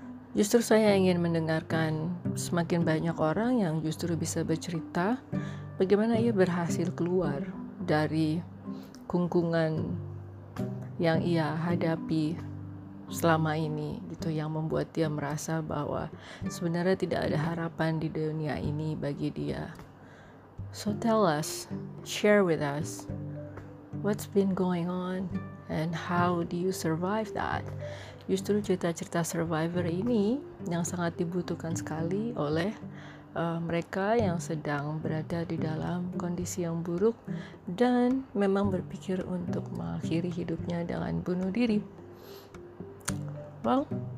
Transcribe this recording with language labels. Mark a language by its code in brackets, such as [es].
[id] Justru saya ingin mendengarkan semakin banyak orang yang justru bisa bercerita bagaimana ia berhasil keluar dari kungkungan yang ia hadapi selama ini gitu, yang membuat dia merasa bahwa sebenarnya tidak ada harapan di dunia ini bagi dia. [en] So tell us, share with us what's been going on and how do you survive that? [id] Justru cerita-cerita survivor ini yang sangat dibutuhkan sekali oleh mereka yang sedang berada di dalam kondisi yang buruk dan memang berpikir untuk mengakhiri hidupnya dengan bunuh diri. Well,